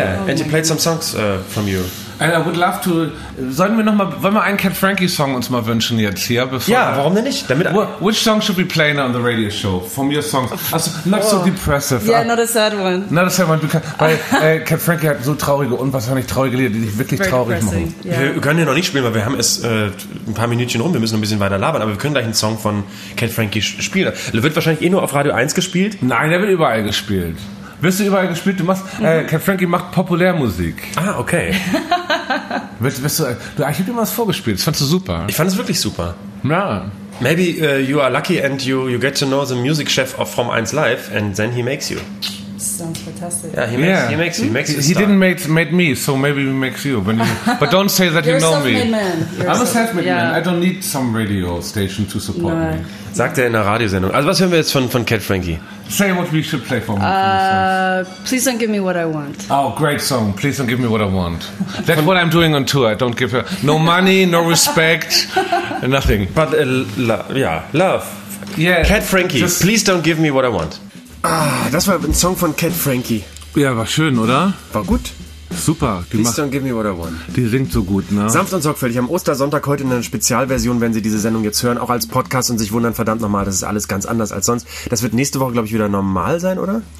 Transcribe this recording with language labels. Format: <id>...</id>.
<en>Yeah, and he played some songs from you. And I would love to.</en> <de>Wollen wir einen Cat Frankie Song uns mal wünschen jetzt hier? Warum denn nicht?</de> <en>Damit which song should we play now on the radio show? From your songs. Also, not so depressive. Yeah, not a sad one. Not a sad one.</en> <de>Weil Cat Frankie hat so traurige, unwahrscheinlich traurige Lieder, die dich wirklich</de> <en>very</en> <de>traurig</de> <en>depressing.</en> <de>Machen.</de> <en>Yeah.</en> <de>Wir können den noch nicht spielen, weil wir haben es ein paar Minütchen rum. Wir müssen ein bisschen weiter labern, aber wir können gleich einen Song von Cat Frankie spielen. Der wird wahrscheinlich eh nur auf Radio 1 gespielt. Nein, der wird überall gespielt. Wirst du überall gespielt? Du machst. Cat Frankie macht Populärmusik. Ah, okay. Ich hab dir mal was vorgespielt. Das fandst du super. Ich fand es wirklich super. Ja.</de> <en>Maybe you are lucky and you get to know the music chef of From 1 Live and then he makes you. Fantastic. Yeah, he makes you. He didn't make me, so maybe he makes you. But don't say that you know me. I'm a self-made man. I don't need some radio station to support me.</en> <de>Sagt er in der Radiosendung. Also was hören wir jetzt von Cat Frankie?</de> <en>Say what we should play for me. Please don't give me what I want. Oh, great song. Please don't give me what I want. That's what I'm doing on tour. I don't give her no money, no respect, nothing. But love. Yeah. Cat Frankie, please don't give me what I want.</en> <de>Ah, das war ein Song von Cat Frankie. Ja, war schön, oder? War gut. Super.</de> <en>Please don't give me what I want.</en> <de>Die singt so gut, ne? Sanft und sorgfältig. Am Ostersonntag heute in einer Spezialversion, wenn Sie diese Sendung jetzt hören, auch als Podcast und sich wundern, verdammt nochmal, das ist alles ganz anders als sonst. Das wird nächste Woche, glaube ich, wieder normal sein, oder?</de>